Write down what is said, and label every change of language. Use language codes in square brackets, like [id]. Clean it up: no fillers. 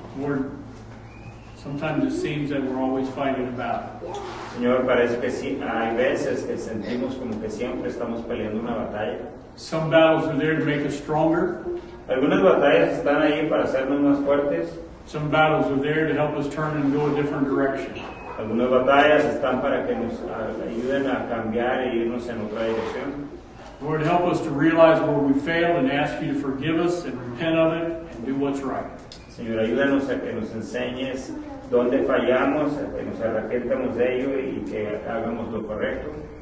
[en] Lord, sometimes it seems that we're always fighting a battle. [es] Señor, parece que sí, hay veces que sentimos como que siempre estamos peleando una batalla. [en] Some battles are there to make us stronger. [es] Algunas batallas están ahí para hacernos más fuertes. [en] Some battles are there to help us turn and go a different direction. [es] Algunas batallas están para que nos ayuden a cambiar e irnos en otra dirección. [en] Lord, help us to realize where we fail and ask you to forgive us and repent of it and do what's right. [es] Señor, ayúdanos a que nos enseñes dónde fallamos, a que nos arrepentamos de ello y que hagamos lo correcto.